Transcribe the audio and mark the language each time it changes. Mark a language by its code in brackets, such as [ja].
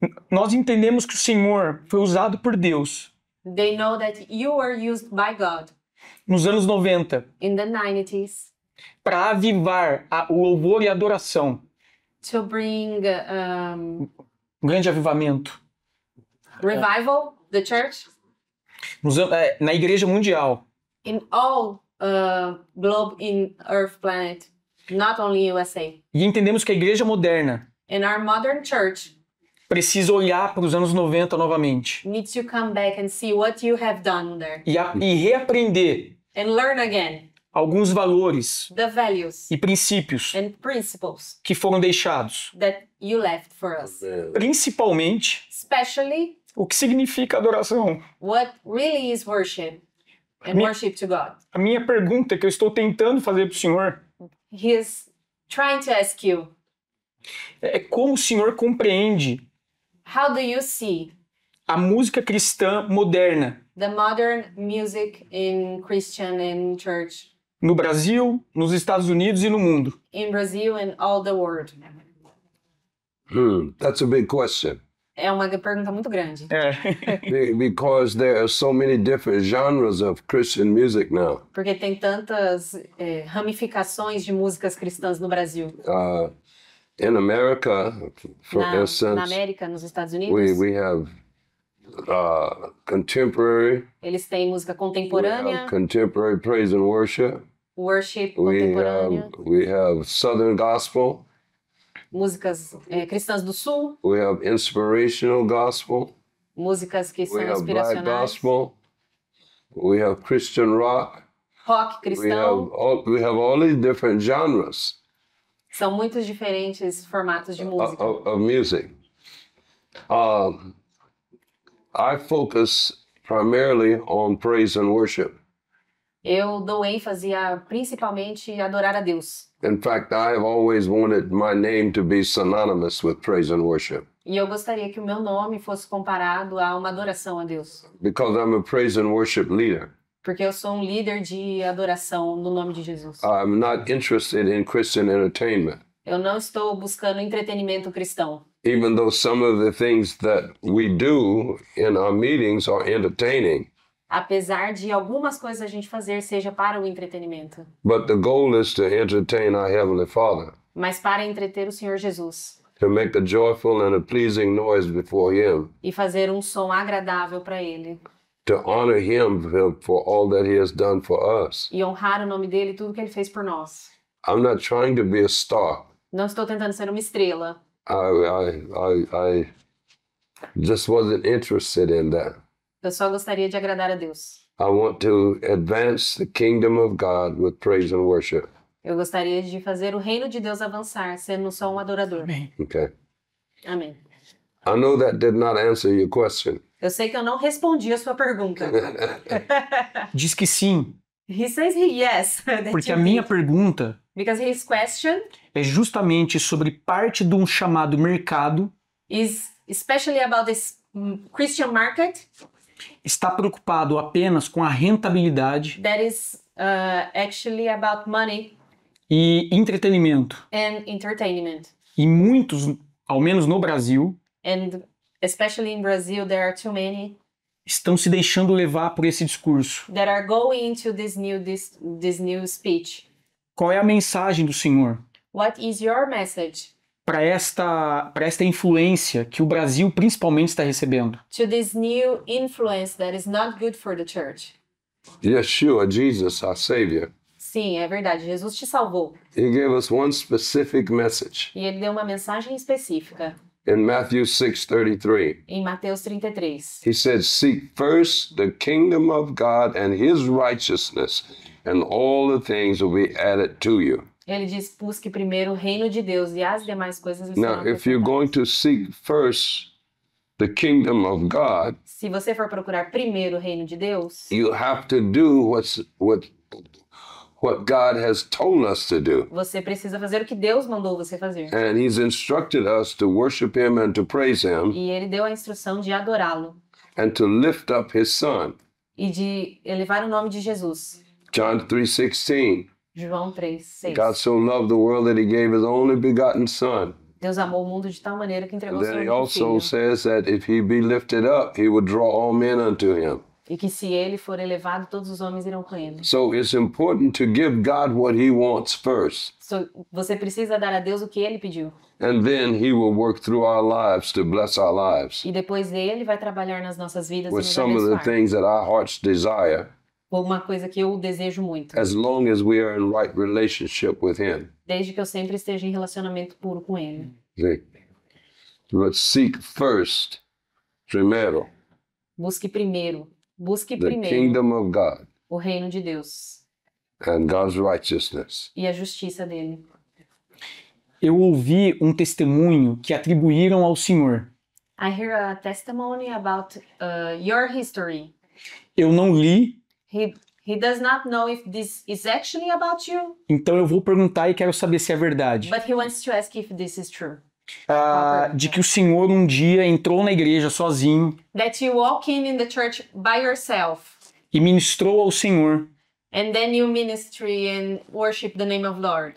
[pt] Nós entendemos que o Senhor foi usado por Deus. [en] They know that you were used by God. [pt] Nos anos 90, [en] In the 90s, [pt] para avivar o louvor e a adoração. [en] to bring [pt] Um grande avivamento. [en] revival the church [pt] Na igreja mundial. [en] in all globe in earth planet, not only USA. [pt] E entendemos que a igreja moderna [en] In our modern church [pt] precisa olhar para os anos 90 novamente. [en] needs to come back and see what you have done there. [pt] E reaprender [en] And learn again [pt] alguns valores [en] the values [pt] e princípios [en] and principles [pt] que foram deixados. [en] that you left for us. [pt] Principalmente, [en] Especially [pt] o que significa adoração? [en] what really is worship and worship to God. [pt] A minha pergunta que eu estou tentando fazer para o senhor [en] He is trying to ask you, [pt] é como o senhor compreende [en] How do you see [pt] a música cristã moderna [en] the modern music in Christian and church? [pt] no Brasil, nos Estados Unidos e no mundo? [en] In Brazil and all the world. That's a big question. [pt] É uma pergunta muito grande. [en] Because there are so many different genres of Christian music now. [pt] Porque tem tantas ramificações de músicas cristãs no Brasil. [en] In America, for [pt] Na [en] instance, [pt] América, nos Estados Unidos, [en] we have contemporary, [pt] eles têm música [en] we have [pt] contemporânea, [en] contemporary praise and worship, [pt] worship contemporânea. [en] we have Southern gospel. [pt] Músicas cristãs do Sul, [en] We have inspirational gospel. [pt] músicas que [en] We [pt] são [en] have black [pt] inspiracionais, [en] gospel. We have Christian rock. [pt] rock cristão. [en] We have all these different genres [pt] São muitos diferentes formatos de música. [en] of music. I focus primarily on praise and worship. [pt] Eu dou ênfase a principalmente adorar a Deus. [en] In fact, I have always wanted my name to be synonymous with praise and worship. [pt] E eu gostaria que o meu nome fosse comparado a uma adoração a Deus. [en] Because I'm a praise and worship leader. [pt] Porque eu sou um líder de adoração no nome de Jesus. [en] I'm not interested in Christian entertainment. [pt] Eu não estou buscando entretenimento cristão. [en] even though some of the things that we do in our meetings are entertaining. [pt] Apesar de algumas coisas a gente fazer seja para o entretenimento. [en] But the goal is to entertain our Heavenly Father. [pt] Mas para entreter o Senhor Jesus. [en] To make a joyful and a pleasing noise before Him. [pt] E fazer um som agradável para Ele. [en] To honor Him for all that He has done for us. [pt] E honrar o nome dEle e tudo que Ele fez por nós. [en] I'm not trying to be a star. [pt] Não estou tentando ser uma estrela. [en] I just wasn't interested in that. [pt] Eu só gostaria de agradar a Deus. [en] I want to advance the kingdom of God with praise and worship. [pt] Eu gostaria de fazer o reino de Deus avançar, sendo só um adorador. Amém. [en] Okay. [pt] Amém. [en] I know that did not answer your question. [pt] Eu sei que eu não respondi a sua pergunta. Diz que sim. [en] He says he yes. [pt] Porque a minha pergunta... [en] Because his question... [pt] É justamente sobre parte de um chamado mercado... [en] Is especially about this Christian market... [pt] Está preocupado apenas com a rentabilidade... [en] That is actually about money... [pt] E entretenimento. [en] And entertainment. [pt] E muitos, ao menos no Brasil... [en] And especially in Brazil, there are too many... [pt] Estão se deixando levar por esse discurso. [en] That are going into this new speech. [pt] Qual é a mensagem do Senhor? [en] What is your message? [pt] Para esta influência que o Brasil principalmente está recebendo. [en] To this new influence that is not good for the church. Yeshua, Jesus, our Savior. [pt] Sim, é verdade. Jesus te salvou. [en] He gave us one specific message. [pt] E ele deu uma mensagem específica. [en] In Matthew 6:33. [pt] Em Mateus 33. [en] He said, "Seek first the kingdom of God and His righteousness, and all the things will be added to you." [pt] Ele diz, busque primeiro o reino de Deus e as demais coisas serão acrescentadas. [en] Now, if you're going to seek first the kingdom of God, [pt] se você for procurar primeiro o reino de Deus, [en] you have to do what God has told us to do. [pt] Você precisa fazer o que Deus mandou você fazer. [en] And He's instructed us to worship Him and to praise Him. [pt] E Ele deu a instrução de adorá-lo. [en] And to lift up His Son. [pt] E de elevar o nome de Jesus. [en] John 3:16. [pt] João 3:6. [en] God so loved the world that He gave His only begotten Son. [pt] Deus amou o mundo de tal maneira que entregou [en] and [pt] seu [en] then [pt] único filho. [en] He also says that if He be lifted up, He would draw all men unto Him. [pt] E que se ele for elevado, todos os homens irão com ele. [en] So it's important to give God what He wants first. [pt] So, você precisa dar a Deus o que ele pediu. [en] And then He will work through our lives to bless our lives. [pt] E depois ele vai trabalhar nas nossas vidas. [en] With some of the things that our hearts desire. [pt] Alguma coisa que eu desejo muito. [en] As long as we are in right relationship with Him. [pt] Desde que eu sempre esteja em relacionamento puro com ele. [en] But seek first, [pt] primeiro. Busque primeiro. Busque primeiro [en] the kingdom of God, [pt] o reino de Deus [en] and God's righteousness. [pt] E a justiça dele. Eu ouvi um testemunho que atribuíram ao Senhor. [en] I hear a testimony about your history. [pt] Eu não li. [en] He does not know if this is actually about you. [pt] Então eu vou perguntar e quero saber se é verdade. [en] But he wants to ask if this is true. [pt] De que o Senhor um dia entrou na igreja sozinho. [en] That you walk in the church by yourself. [pt] E ministrou ao Senhor. [en] And then you ministry and worship the name of Lord.